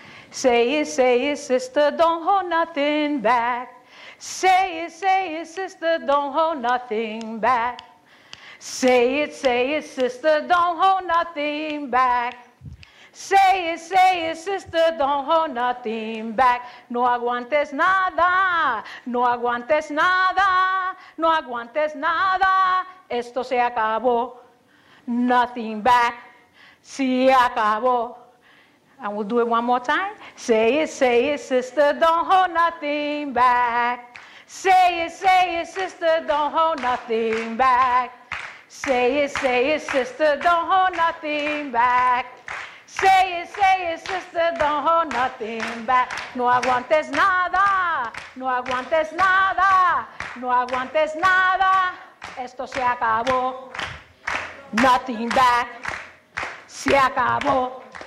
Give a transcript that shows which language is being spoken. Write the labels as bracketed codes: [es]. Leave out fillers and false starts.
[en] Say it, sister, don't hold nothing back. Say it, sister, don't hold nothing back. Say it, sister, don't hold nothing back. Say it, sister, don't hold nothing back. [es] No aguantes nada, no aguantes nada, no aguantes nada. Esto se acabó, [en] nothing back, [es] se acabó. [en] And we'll do it one more time. Say it, sister, don't hold nothing back. Say it, sister, don't hold nothing back. Say it, sister, don't hold nothing back. Say it, sister, don't hold nothing back. [es] No aguantes nada, no aguantes nada, no aguantes nada. Esto se acabó, [en] nothing back, [es] se acabó.